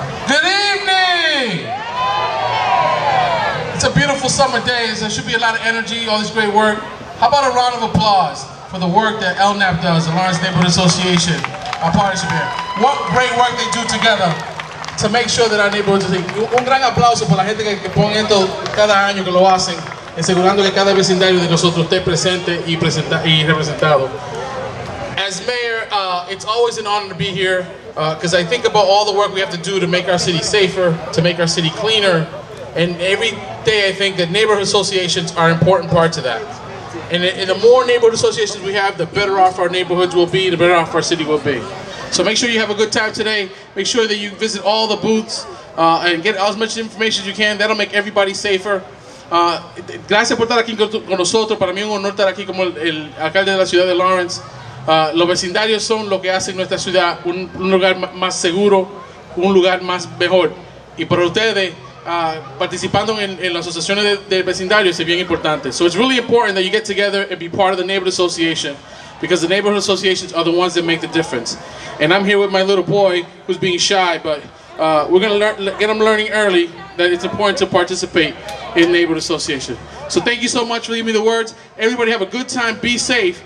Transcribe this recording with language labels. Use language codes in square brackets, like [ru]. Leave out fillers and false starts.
[en] Good evening! It's a beautiful summer day. There should be a lot of energy, all this great work. How about a round of applause for the work that LNAP does, the Lawrence Neighborhood Association, our partnership here. What great work they do together to make sure that our neighborhoods are safe. Un gran aplauso por la gente que pone esto cada año que lo hacen, asegurando que cada vecindario de nosotros esté presente y representado. As mayor, it's always an honor to be here, because I think about all the work we have to do to make our city safer, to make our city cleaner, and every day I think that neighborhood associations are an important part to that. And the more neighborhood associations we have, the better off our neighborhoods will be, the better off our city will be. So make sure you have a good time today. Make sure that you visit all the booths and get as much information as you can. That'll make everybody safer. [es] Gracias por estar aquí con nosotros. Para mí es un honor estar aquí como el alcalde de la ciudad de Lawrence. Los vecindarios son lo que hacen nuestra ciudad un lugar más seguro, un lugar más mejor. Y para ustedes, participando en las asociaciones de vecindarios es bien importante. [en] So it's really important that you get together and be part of the neighborhood association, because the neighborhood associations are the ones that make the difference. And I'm here with my little boy who's being shy, but we're gonna get him learning early that it's important to participate in neighborhood association. So thank you so much for giving me the words. Everybody have a good time, be safe.